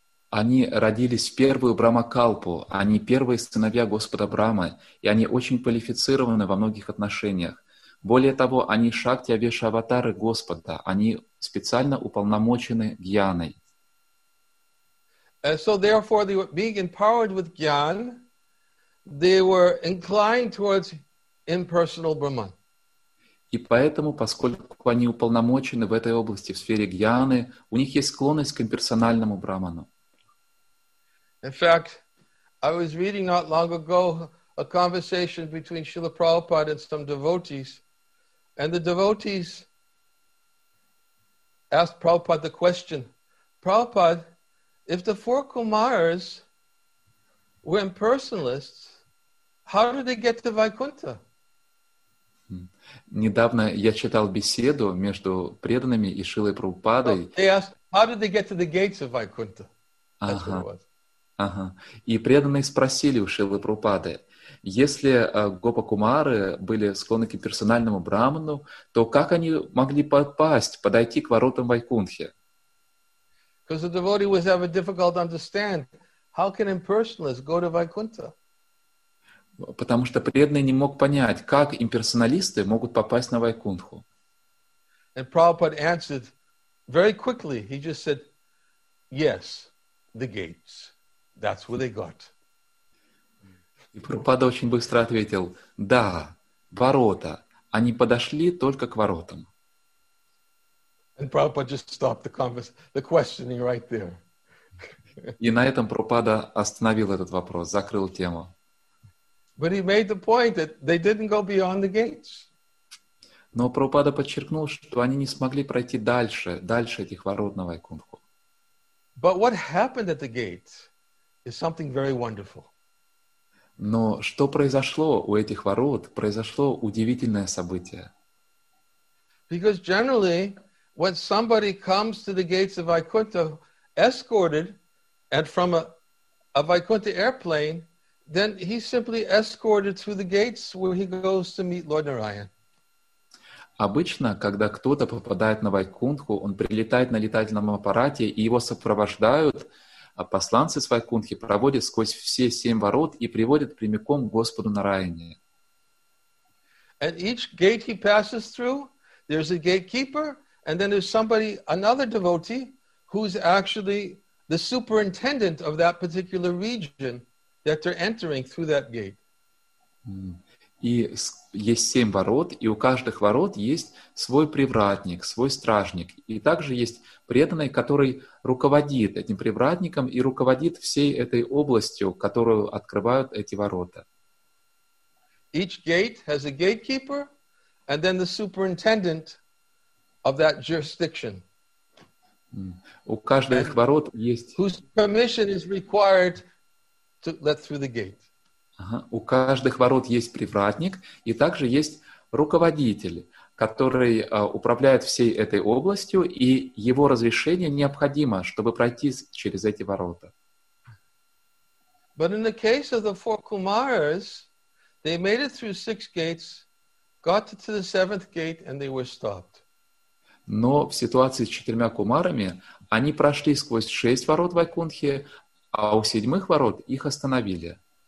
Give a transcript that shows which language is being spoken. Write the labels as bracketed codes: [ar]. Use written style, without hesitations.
[ru] Они родились в первую Брахмакалпу, они первые сыновья Господа Брахмы, и они очень квалифицированы во многих отношениях. Более того, они Шактивеш аватары Господа, они специально уполномочены гьяной. [en] And so therefore, they were being empowered with gyan, they were inclined towards impersonal Brahman. [ru] И поэтому, поскольку они уполномочены в этой области, в сфере гьяны, у них есть склонность к имперсональному Брахману. [en] In fact, I was reading not long ago a conversation between Srila Prabhupada and some devotees, and the devotees asked Prabhupada the question, "Prabhupada, if the four Kumaras were impersonalists, how did they get to Vaikuntha?" [ru] Недавно я читал беседу между преданными и Шилой Прабхупадой. [en] They asked, "How did they get to the gates of Vaikuntha?" That's what it was. [ru] И преданные спросили у Шилы Прабхупады: если гопа-кумары были склонны к персональному Брахману, то как они могли подойти к воротам Вайкунтхи? [en] Because the devotee was having difficulty understanding how can impersonalists go to Vaikuntha? [ru] Потому что преданный не мог понять, как имперсоналисты могут попасть на Вайкунтху. [en] And Prabhupada answered very quickly. He just said, "Yes, the gates. That's where they got." [ru] И Прабхупада очень быстро ответил: "Да, ворота. Они подошли только к воротам." [en] And Prabhupada just stopped the questioning right there. [ru] И на этом Прабхупада остановил этот вопрос, закрыл тему. [en] But he made the point that they didn't go beyond the gates. [ru] Но Прабхупада подчеркнул, что они не смогли пройти дальше этих ворот на Вайкунтху. [en] But what happened at the gate is something very wonderful. [ru] Но что произошло у этих ворот, произошло удивительное событие. [en] Because generally, when somebody comes to the gates of Vaikuntha, escorted and from a Vaikuntha airplane, then he's simply escorted through the gates where he goes to meet Lord Narayan. [ru] Обычно, когда кто-то попадает на Вайкунтху, он прилетает на летательном аппарате, и его сопровождают, а посланцы с Вайкунтхи проводят сквозь все семь ворот и приводят прямиком к Господу Нараяне. [en] And each gate he passes through, there's a gatekeeper, and then there's somebody, another devotee, who's actually the superintendent of that particular region that they're entering through that gate. [ru] И есть семь ворот, и у каждых ворот есть свой привратник, свой стражник. И также есть преданный, который руководит этим привратником и руководит всей этой областью, которую открывают эти ворота. [en] Each gate has a gatekeeper, and then the superintendent of that jurisdiction. [ru] У каждых ворот есть... [en] Whose permission is required to let through the gate. [ru] У каждых ворот есть привратник, и также есть руководитель, который управляет всей этой областью, и его разрешение необходимо, чтобы пройти через эти ворота. [en] But in the case of the four Kumaras, they made it through six gates, got to the seventh gate, and they were stopped. [ru] Но в ситуации с четырьмя кумарами они прошли сквозь шесть ворот Вайкунтхи, а у седьмых ворот их остановили.